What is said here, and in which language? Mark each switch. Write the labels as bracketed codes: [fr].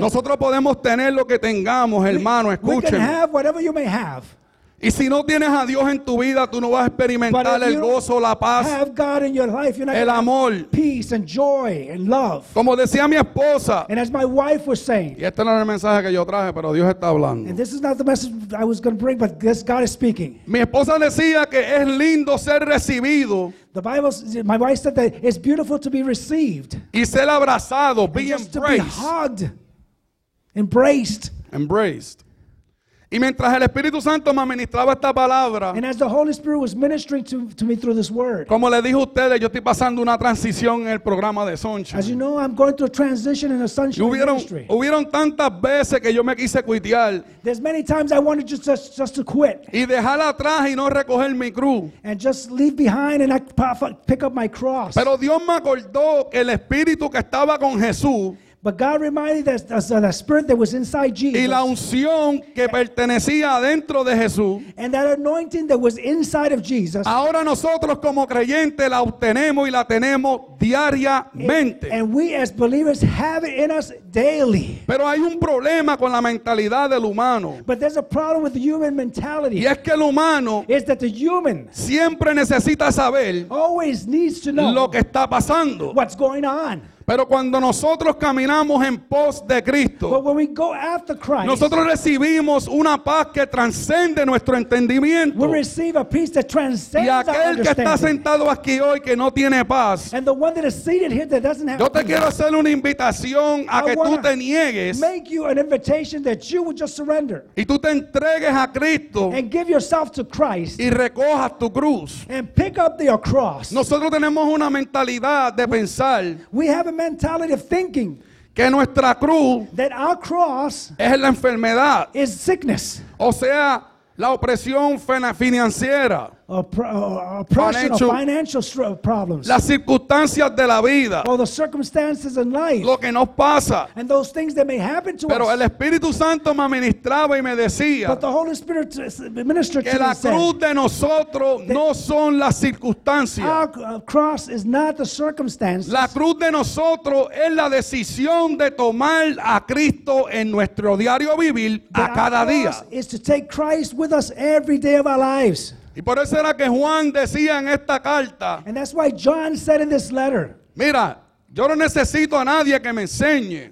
[es] Nosotros podemos tener lo que tengamos, hermano, escúcheme. [en] We can have whatever you may have. [es] Y si no tienes a Dios en tu vida, tú no vas a experimentar el gozo, la paz, [en] have God in your life, you're not [es] el amor, [en] peace and joy and love. [es] Como decía mi esposa, [en] and as my wife was saying, [es] y este no era el mensaje que yo traje, pero Dios está hablando. [en] And this is not the message I was going to bring, but this God is speaking. [es] Mi esposa decía que es lindo ser recibido. [en] The Bible, my wife said that it's beautiful to be received. [es] Y ser abrazado, [en] be embraced. Just to be hugged, embraced. Embraced. [es] Y mientras el Espíritu Santo me ministraba esta palabra, [en] and as the Holy Spirit was ministering to me through this word, [es] como le dije a ustedes, yo estoy pasando una transición en el programa de Sunshine. [en] As you know, I'm going through a transition in the Sunshine ministry. [es] Hubieron tantas veces que yo me quise cuitear. [en] There's many times I wanted just to quit. [es] Y dejar atrás y no recoger mi cruz. [en] And just leave behind and not pick up my cross. [es] Pero Dios me acordó que el Espíritu que estaba con Jesús. [en] But God reminded us of the spirit that was inside Jesus. [es] Y la unción que pertenecía dentro de Jesús. [en] And that anointing that was inside of Jesus. [es] Ahora nosotros como creyentes la obtenemos y la tenemos diariamente. [en] And we as believers have it in us daily. [es] Pero hay un problema con la mentalidad del humano. [en] But there's a problem with the human mentality. [es] Y es que el humano [en] is that the human [es] siempre necesita saber [en] always needs to know [es] lo que está pasando. [en] What's going on. [es] Pero cuando nosotros caminamos en pos de Cristo, [en] but when we go after Christ, [es] nosotros recibimos una paz que transcende nuestro entendimiento. [en] We receive a peace that transcends our understanding. [es] Y aquel que está sentado aquí hoy que no tiene paz, [en] and the one that is seated here that doesn't have [es] yo te quiero hacer una invitación a que tú te niegues, [en] make you an invitation that you would just surrender, [es] y tú te entregues a Cristo, [en] and give yourself to Christ, [es] y recojas tu cruz, [en] and pick up your cross. [es] Nosotros tenemos una mentalidad de pensar, [en] we have mentality of thinking [es] que nuestra cruz [en] that our cross [es] es la enfermedad [en] is sickness, [es] o sea la opresión financiera, [en] oppression or financial problems, [es] las circunstancias de la vida, [en] or the circumstances in life, [es] lo que nos pasa, [en] and those things that may happen to [es] pero [en] us. [es] El Espíritu Santo me ministraba y me decía, [en] but the Holy Spirit ministered [es] que [en] to [es] la [en] me [es] cruz de nosotros no son las circunstancias. [en] Our cross is not the circumstances. [es] La cruz de nosotros es la decisión de tomar a Cristo en nuestro diario vivir a cada día. [en] Our cross is to take Christ with us every day of our lives. [es] Y por eso era que Juan decía en esta carta. [en] And that's why John said in this letter. [es] Mira, yo no necesito a nadie que me enseñe.